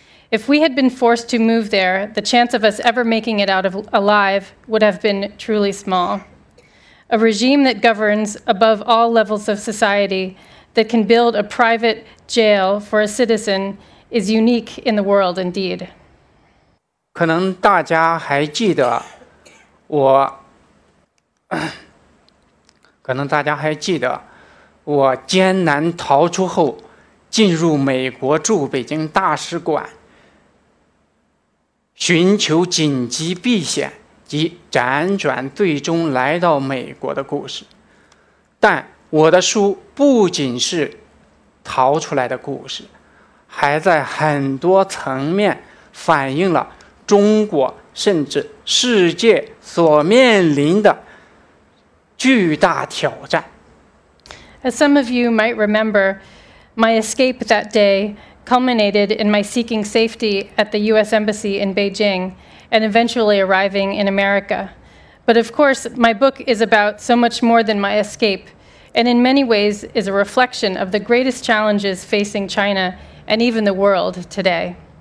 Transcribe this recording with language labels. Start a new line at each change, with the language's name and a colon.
English: If we had been forced to move there, the chance of us ever making it out of alive would have been truly small. A regime that governs above all levels of society, that can build a private jail for a citizen, is unique in the world indeed.
Chinese: 可能大家还记得我，可能大家还记得我艰难逃出后，进入美国驻北京大使馆。寻求紧急避险及辗转最终来到美国的故事，但我的书不仅是逃出来的故事，还在很多层面反映了中国甚至世界所面临的巨大挑战.
English: As some of you might remember, my escape that day culminated in my seeking safety at the U.S. Embassy in Beijing and eventually arriving in America. But of course, my book is about so much more than my escape, and in many ways is a reflection of the greatest challenges facing China and even the world today.